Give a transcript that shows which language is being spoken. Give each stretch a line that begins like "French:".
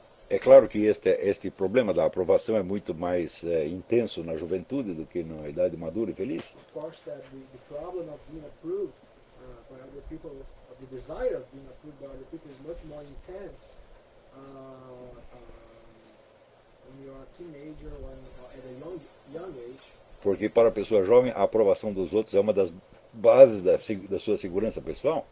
Portuguese: É claro que este problema da aprovação é muito mais intenso na juventude do que na idade madura e feliz.
English: Of course, that the problem of being approved by other people, of the desire of being approved by other people, is much more intense when you are a teenager, when at a young age.
Portuguese: Porque para a pessoa jovem, a aprovação dos outros é uma das bases da sua segurança pessoal.